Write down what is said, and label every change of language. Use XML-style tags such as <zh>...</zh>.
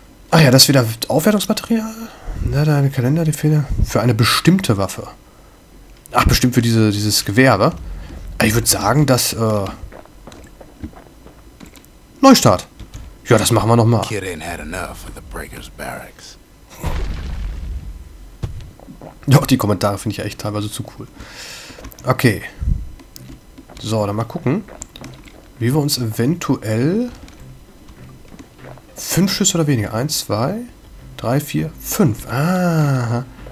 <de>Ach ja, das ist wieder Aufwertungsmaterial. Na, da eine Kalenderdefine. Für eine bestimmte Waffe. Ach, bestimmt für dieses Gewehr, oder? Ich würde sagen, dass, Neustart. Ja, das machen wir noch mal.</de> <en>Kid ain't had enough of the Breaker's Barracks.</en> <de>Doch, die Kommentare finde ich echt teilweise zu cool. Okay. So, dann mal gucken, wie wir uns eventuell 5 Schüsse oder weniger. 1, 2, 3, 4, 5. Ah.</de>